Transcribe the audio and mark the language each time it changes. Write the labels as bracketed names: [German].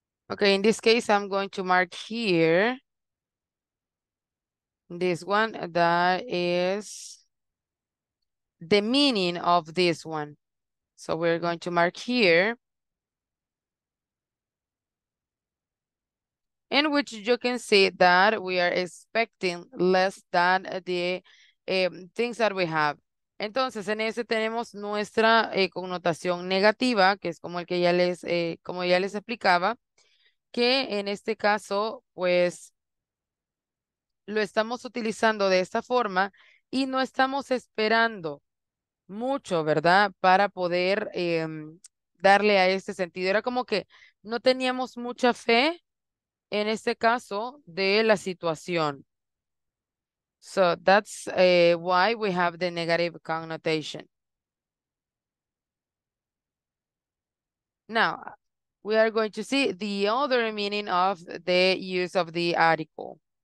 [English] Okay, in this case, I'm going to mark here this one that is the meaning of this one. So we're going to mark here. In which you can see that we are expecting less than the things that we have. [Spanish] Entonces, en ese tenemos nuestra connotación negativa, que es como el que ya les, como ya les explicaba, que en este caso, pues, lo estamos utilizando de esta forma y no estamos esperando mucho, ¿verdad? Para poder darle a este sentido. Era como que no teníamos mucha fe en este caso de la situación. [English] So that's why we have the negative connotation. Now, we are going to see the other meaning of the use of the article.